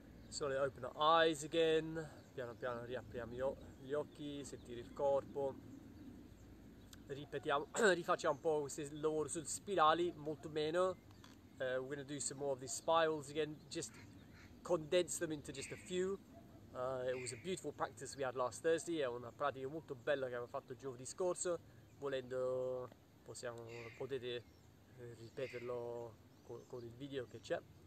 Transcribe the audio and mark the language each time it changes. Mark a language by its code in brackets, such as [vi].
[en] Slowly open the eyes again, [it] piano piano riapriamo gli occhi, sentire il corpo. Ripetiamo, rifacciamo un po' questo lavoro sulle spirali, molto meno. [en] We're gonna do some more of these spirals again, just condense them into just a few. It was a beautiful practice we had last Thursday, [it] è una pratica molto bella che abbiamo fatto giovedì scorso. Volendo potete ripeterlo con il video che c'è.